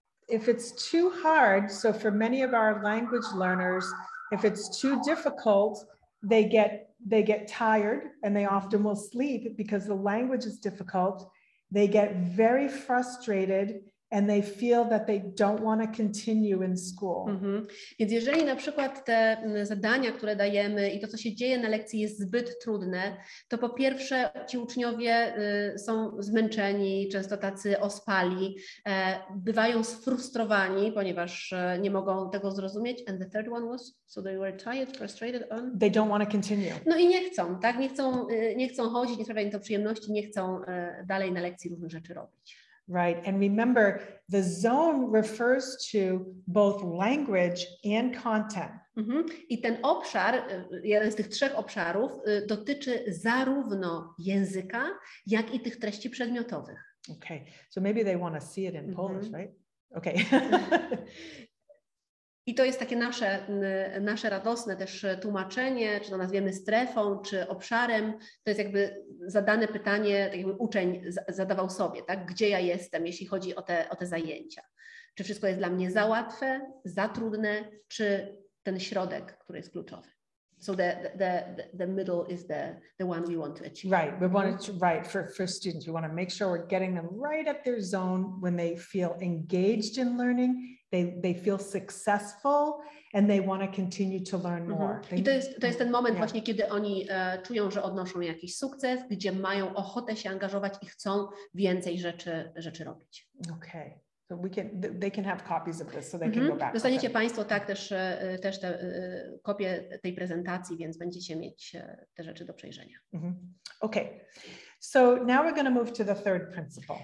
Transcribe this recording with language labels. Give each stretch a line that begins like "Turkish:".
English: If it's too hard, so for many of our language learners, if it's too difficult, they get tired, and they often will sleep because the language is difficult. They get very frustrated and they feel that they don't want to continue in school. Mm-hmm.
Polish: Więc jeżeli na przykład te zadania, które dajemy, i to, co się dzieje na lekcji, jest zbyt trudne, to po pierwsze ci uczniowie są zmęczeni, często tacy ospali, bywają sfrustrowani, ponieważ nie mogą tego zrozumieć.
English: And the third one was, so they were tired, frustrated on? They don't want to continue.
Polish: No i nie chcą, tak? Nie chcą chodzić, nie sprawia im to przyjemności, nie chcą dalej na lekcji różne rzeczy robić.
English: Right, and remember, the zone refers to both language and content. Mm-hmm.
Polish: I ten obszar, jeden z tych trzech obszarów, dotyczy zarówno języka, jak i tych treści przedmiotowych.
English: Okay, so maybe they want to see it in Polish, right? Okay.
Polish: I to jest takie nasze radosne też tłumaczenie, czy to nazwiemy strefą, czy obszarem. To jest jakby zadane pytanie, tak jakby uczeń zadawał sobie, tak? Gdzie ja jestem, jeśli chodzi o te zajęcia? Czy wszystko jest dla mnie za łatwe, za trudne, czy ten środek, który jest kluczowy?
English: So the middle is the one we want to achieve. Right, we want to, right, for students, we want to make sure we're getting them right at their zone when they feel engaged in learning. They feel successful and they want to continue to learn more.
Polish: I to jest ten moment, yeah, właśnie, kiedy oni czują, że odnoszą jakiś sukces, gdzie mają ochotę się angażować i chcą więcej rzeczy robić.
English: Okay. So they can have copies of this, so they can go back.
Polish: Dostaniecie Państwo tak też te kopie tej prezentacji, więc będziecie mieć te rzeczy do przejrzenia.
English: Mm-hmm. Okay. So now we're going to move to the third principle.